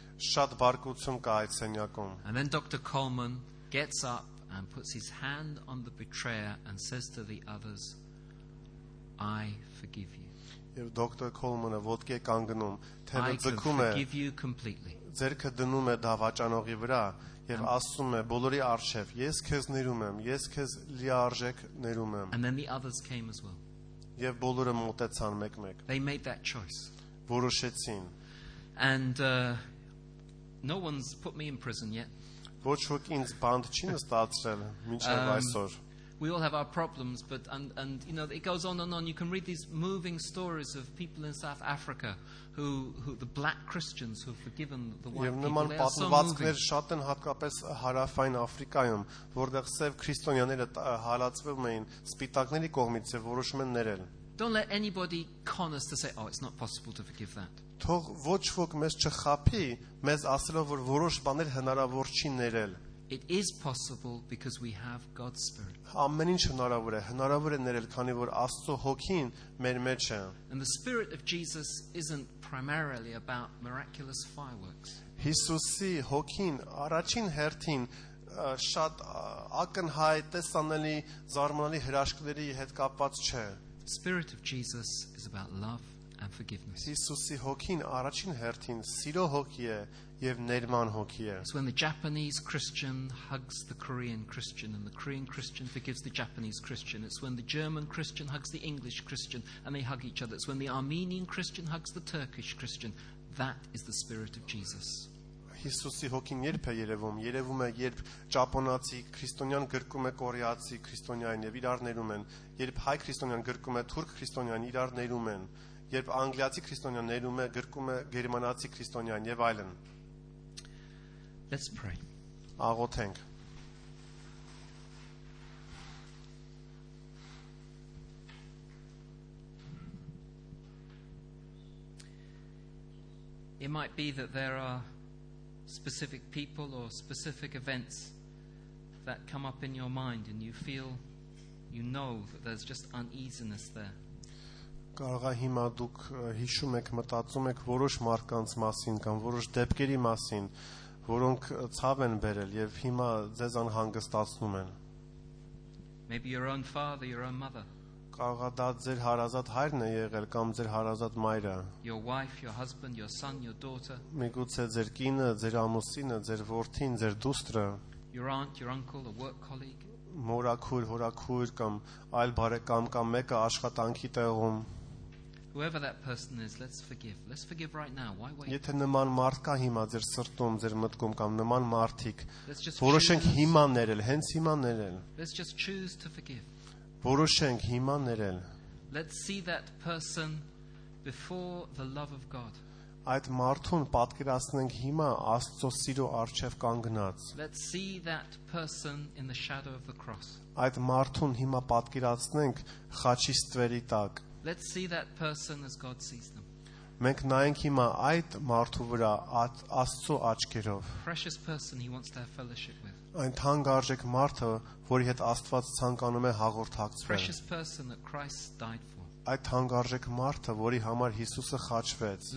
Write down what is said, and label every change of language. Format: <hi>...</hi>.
<hy>Շատ բարկություն կա այդ սենյակում.</hy> <en>And then Dr. Coleman gets up and puts his hand on the betrayer and says to the others, I forgive you.</en> <hy>Եվ Dr. Coleman-ը ոտքի կանգնում, թեմը ձգում է.</hy> <en>I forgive you completely.</en> <hy>Ձերքը դնում է դավաճանողի վրա եւ ասում է բոլորի առջև, ես քեզ ներում եմ, ես քեզ լիարժեք ներում եմ.</hy> <en>And then the others came as well.</en> <hy>Եվ բոլորը մտեցան մեկ-մեկ։</hy> <en>They made that choice.</en> <hy>Որոշեցին։</hy> <en>And no one's put me in prison yet.</en> <hy>Ոչ ոք ինձ բանդ չի նստացրել մինչև այսօր։</hy> <en>We all have our problems, but and you know it goes on and on. You can read these moving stories of people in South Africa who the black Christians who have forgiven the white people.</en> <hy>Նման պատմվածքներ շատ են հատկապես հարավային Աֆրիկայում, որտեղ սև քրիստոնյաները հալածվում էին սպիտակների կողմից եւ որոշում են ներել.</hy> <en>Don't let anybody con us to say, oh, it's not possible to forgive that.</en> <hy>Թող ոչ ոք մեզ չխափի, մեզ ասելով, որ որոշ բաներ հնարավոր չի ներել.</hy> <en>It is possible because we have God's Spirit.</en> <hy>Ամեն ինչ հնարավոր է, ներել, քանի որ Աստծո հոգին մեր մեջ է.</hy> <en>And the Spirit of Jesus isn't primarily about miraculous fireworks.</en> <hy>Հիսուսի հոգին առաջին հերթին շատ ակնհայտ տեսանելի զարմանալի հրաշքների հետ կապված չէ.</hy> <en>The Spirit of Jesus is about love and forgiveness.</en> <hy>Հիսուսի հոգին առաջին հերթին սիրո հոգի է եւ ներման հոգի է.</hy> <en>It's when the Japanese Christian hugs the Korean Christian and the Korean Christian forgives the Japanese Christian. It's when the German Christian hugs the English Christian and they hug each other. It's when the Armenian Christian hugs the Turkish Christian. That is the Spirit of Jesus.</en> <hy>Հիսուսի հոգին երբ է երևում, երևում է երբ ճապոնացի քրիստոնյան գրկում է կորեացի քրիստոնյան եւ իրար ներում են, երբ հայ քրիստոնյան գրկում է թուրք քրիստոնյան իրար ներում են, երբ անգլիացի քրիստոնյան ներում է գրկում է գերմանացի քրիստոնյան եւ այլն.</hy> <en>Let's pray.</en> <hy>Աղոթենք.</hy> <en>It might be that there are specific people or specific events that come up in your mind and you feel you know that there's just uneasiness there.</en> <hy>Կարող է հիմա դուք հիշում եք, մտածում եք որոշ մարդկանց մասին կամ որոշ դեպքերի մասին, որոնք ցավ են բերել եւ հիմա ձեզ անհանգստացնում են.</hy> <en>Maybe your own father, your own mother.</en> <hy>Կարող է դա ձեր հարազատ հայրն է եղել կամ ձեր հարազատ մայրը։</hy> <en>Your wife, your husband, your son, your daughter.</en> <hy>Միգուցե ձեր կինը, ձեր ամուսինը, ձեր որդին, ձեր դուստրը։</hy> <en>Your aunt, your uncle, a work colleague.</en> <hy>Մորաքույր, հորաքույր կամ այլ բարեկամ կամ մեկը աշխատանքի տեղում։</hy> <en>Whoever that person is, let's forgive. Let's forgive right now. Why wait?</en> <hy>Եթե նման մարդ կա հիմա ձեր սրտում, ձեր մտքում կամ նման մարդիկ, որոշենք հիմա ներել, հենց հիմա ներել։</hy> <en>Let's just choose to forgive.</en> <hy>Որոշենք հիմա ներել։</hy> <en>Let's see that person before the love of God.</en> <hy>Այդ մարդուն պատկերացնենք հիմա Աստծո սիրո առջև կանգնած։</hy> <en>Let's see that person in the shadow of the cross.</en> <hy>Այդ մարդուն հիմա պատկերացնենք խաչի ստվերի տակ։</hy> <en>Let's see that person as God sees them.</en> <hy>Մենք նայենք հիմա այդ մարդու վրա Աստծո աչքերով։</hy> <en>Precious person he wants to have fellowship with.</en> <hy>Այն թանկարժեք մարդը, որի հետ Աստված ցանկանում է հաղորդակցվել։</hy> <en>Precious person that Christ died for.</en> <hy>Այդ թանկարժեք մարդը, որի համար Հիսուսը խաչվեց։</hy>